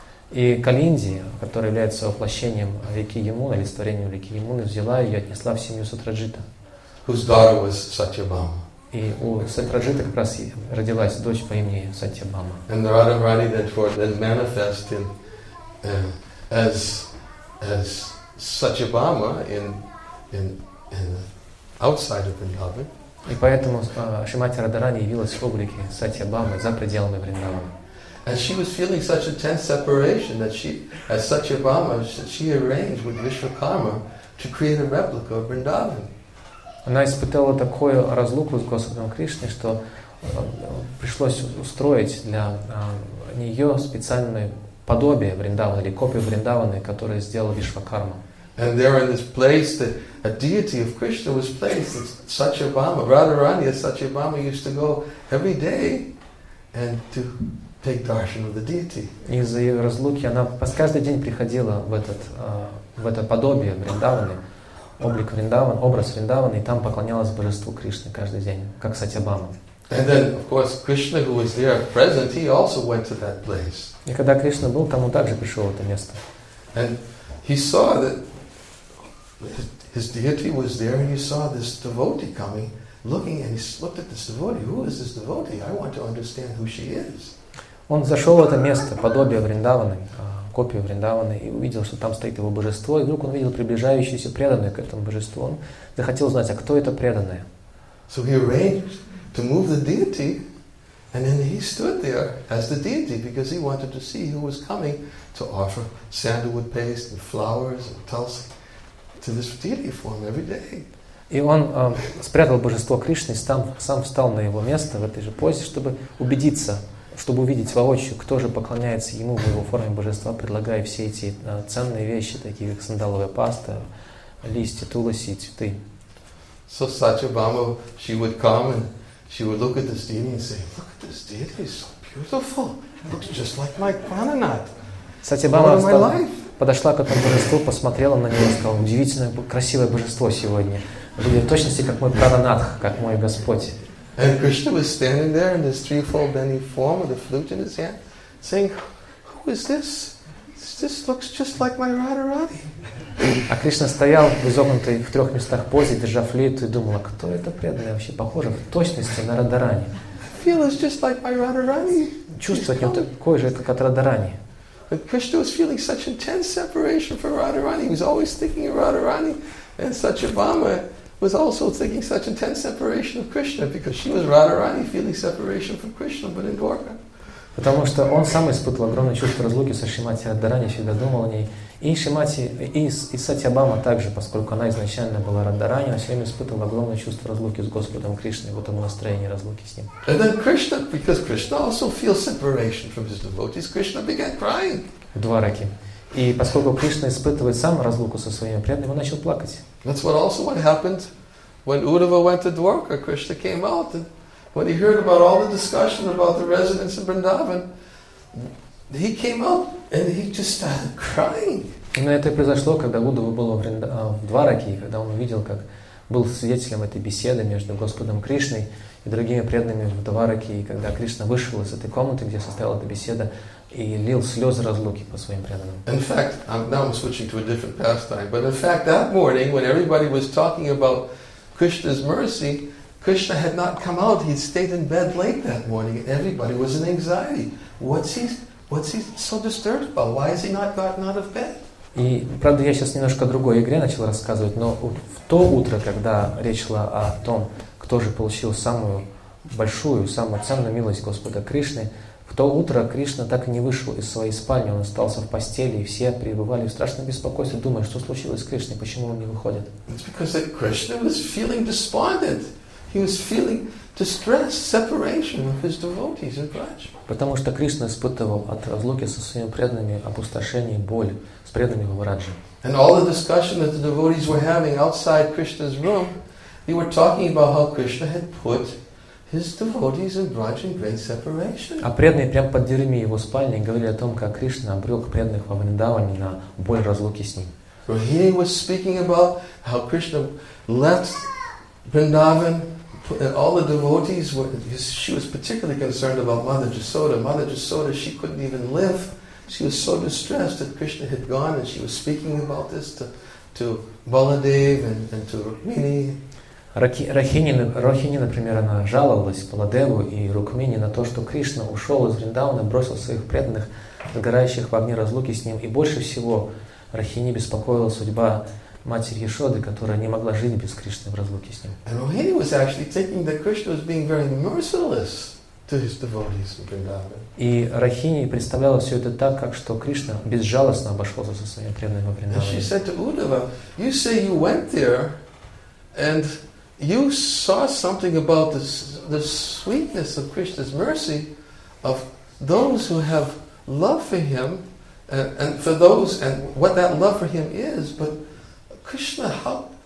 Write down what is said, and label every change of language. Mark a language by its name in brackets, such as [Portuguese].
[Russian] И Калинди, которая является воплощением реки Ямуны, или творением реки Ямуны, взяла ее и отнесла в семью Сатраджита. [English] Whose daughter was Satyabhama. [Russian] И у Сатраджита как раз родилась дочь по имени Сатьябама. [English] And the Radharani then manifested as Satyabhama in outside of Vrindavan. [Russian] И поэтому Шримати Радхарани явилась в облике Сатьябамы за пределами Вриндавана. [English] And she was feeling such a tense separation that she, as Satyabhama, she arranged with Vishwakarma to create a replica of Vrindavan. [Russian] Она испытала такую разлуку с Господом Кришной, что пришлось устроить для нее специальное подобие Вриндавана или копию Вриндавана, которую сделал Вишвакарма. [English] And there in this place that a deity of Krishna was placed, Satyabhama, Radharani, Satyabhama used to go every day and to take darshan of the deity. [Russian] Из-за ее разлуки она каждый день приходила в это подобие Вриндаваны, облик Вриндаван, образ Вриндаваны, и там поклонялась божеству Кришны каждый день, как Сатьябама. [English] And then, of course, Krishna, who was there present, he also went to that place. [Russian] И когда Кришна был там, он также пришел в это место. [English] And he saw that his deity was there, and he saw this devotee coming, looking, and he looked at this devotee. Who is this devotee? I want to understand who she is. [Russian] Он зашел в это место, подобие Вриндаваны, копию Вриндаваны, и увидел, что там стоит его божество, и вдруг он видел приближающуюся преданную к этому божеству. Он захотел узнать, а кто это преданная? [English] So he arranged to move the deity, and then he stood there as the deity, because he wanted to see who was coming to offer sandalwood paste and flowers and tulsi. To this deity form every day. [Russian] И он спрятал божество Кришны и сам встал на его место в этой же позе, чтобы убедиться, чтобы увидеть воочию, кто же поклоняется ему в его форме божества, предлагая все эти ценные вещи, такие как сандаловая паста, листья, туласи, цветы. [English] So Satyabhama, she would come and she would look at this deity and say, look at this deity, it's so beautiful. It looks just like my Prananath. [Russian] Satyabhama подошла к этому божеству, посмотрела на него и сказала, удивительное, красивое божество сегодня. Будет в точности, как мой Прананатх, как мой Господь. [English] And Krishna was standing there in this threefold bending form with a flute in his hand, saying, who is this? This looks just like my Radharani. [Russian] А Кришна стоял в изогнутой в трех местах позе, держа флейту, и думала, кто это преданный, вообще похоже в точности на Радарани. [English] Feel is just like my Radharani. [Russian] Чувствовать его такой же, как от Радарани. [English] But Krishna was feeling such intense separation from Radharani. He was always thinking of Radharani, and Satyabhama was also thinking such intense separation of Krishna because she was Radharani feeling separation from Krishna, but in Dwarka. [Russian] Потому что он сам испытывал огромное чувство разлуки со Шримати Радхарани, всегда думал о ней. И Шримати, и Сатьябама также, поскольку она изначально была Радхарани, она все время испытывала огромное чувство разлуки с Господом Кришной, вот ему настроение разлуки с ним. [English] And then Krishna, because Krishna also feels separation from his devotees, Krishna began crying. [Russian] В Двараке. И поскольку Кришна испытывает сам разлуку со своими преданными, он начал плакать. [English] That's what also what happened when Uddhava went to Dwarka. Krishna came out and when he heard about all the discussion about the residents of Vrindavan, he came up and he just started crying. [Russian] Именно это и произошло, когда Удава был в Двараке, и когда он увидел, как был свидетелем этой беседы между Господом Кришной и другими преданными в Двараке, и когда Кришна вышел из этой комнаты, где состояла эта беседа, и лил слезы разлуки по своим преданным. [English] In fact, now I'm switching to a different pastime, but in fact, that morning, when everybody was talking about Krishna's mercy, Krishna had not come out. He had stayed in bed late that morning. Everybody was in anxiety. What's he so disturbed about? Why has he not gotten out of bed? [Russian] И, правда, я сейчас немножко другой игре начал рассказывать, но в то утро, когда речь шла о том, кто же получил самую большую, самую ценную милость Господа Кришны, В то утро Кришна так и не вышел из своей спальни, он остался в постели, и все пребывали в страшном беспокойстве, думая, что случилось с Кришной, почему он не выходит. [English] It's because that Krishna was feeling despondent. He was feeling distress, separation of his devotees and Braj. [Russian] Потому что Кришна испытывал от разлуки со своими преданными опустошение и боль с преданными во Враджи. [English] And all the discussion that the devotees were having outside Krishna's room, they were talking about how Krishna had put his devotees and Braj in great separation. [Russian] А преданные прямо под дверями его спальни говорили о том, как Кришна обрек преданных во Вриндаване на боль разлуки с ним. [English] Rohini was speaking about how Krishna left Vrindavan. All the devotees were, she was particularly concerned about Mother Jasoda. Mother Jasoda, she couldn't even live. She was so distressed that Krishna had gone, and she was speaking about this to Baladev and to Rukmini. [Russian] Rohini, например, она жаловалась Баладеву и Рукмини на то, что Кришна ушел из Вриндавана, бросил своих преданных, сгорающих в огне разлуки с ним, и больше всего Рохини беспокоила судьба матери Яшоды, которая не могла жить без Кришны в разлуке с ним. [English] And Rohini was actually thinking that Krishna was being very merciless to his devotees in Vrindavan. [Russian] И Рохини представляла все это так, как что Кришна безжалостно обошелся со своими преданными во Вриндаване. [English] And she said to Uddhava, "You say you went there, and you saw something about the sweetness of Krishna's mercy of those who have love for him, and for those and what that love for him is, but Krishna, how?